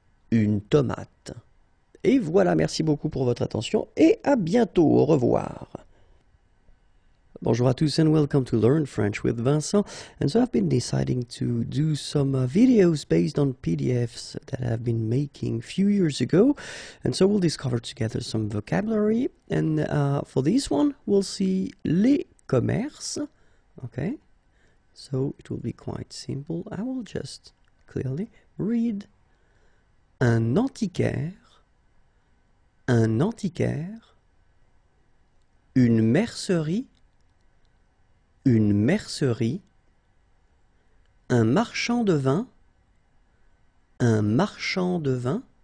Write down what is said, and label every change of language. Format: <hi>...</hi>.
<fr>Et voilà, merci beaucoup pour votre attention et à bientôt. Au revoir. Bonjour à tous</fr> <en>and welcome to Learn French with Vincent. And so I've been deciding to do some videos based on PDFs that I've been making a few years ago. And so we'll discover together some vocabulary. And for this one, we'll see les commerces. Okay, so it will be quite simple. I will just clearly read</en> <fr>un antiquaire, une mercerie, un marchand de vin,</fr>